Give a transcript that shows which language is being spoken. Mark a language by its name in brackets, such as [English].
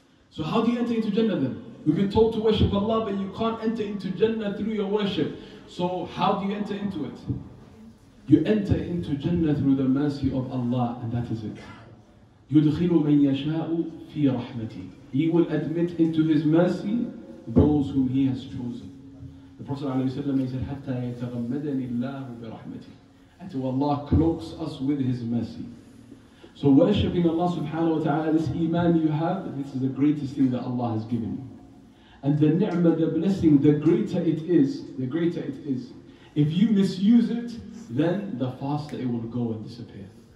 [English] So how do you enter into Jannah then? We've been told to worship Allah, but you can't enter into Jannah through your worship. So how do you enter into it? You enter into Jannah through the mercy of Allah, and that is it. [Arabic] يُدْخِلُ مَنْ يَشَاءُ فِي رَحْمَتِي. [English] He will admit into His mercy those whom He has chosen. The Prophet ﷺ, he said, [Arabic] حَتَّى يَتَغَمَّدَنِ اللَّهُ بِرَحْمَتِي. [English] Until Allah cloaks us with His mercy. So worshipping Allah subhanahu wa ta'ala, this iman you have, this is the greatest thing that Allah has given you. And the ni'mah, the blessing, the greater it is, the greater it is. If you misuse it, then the faster it will go and disappear.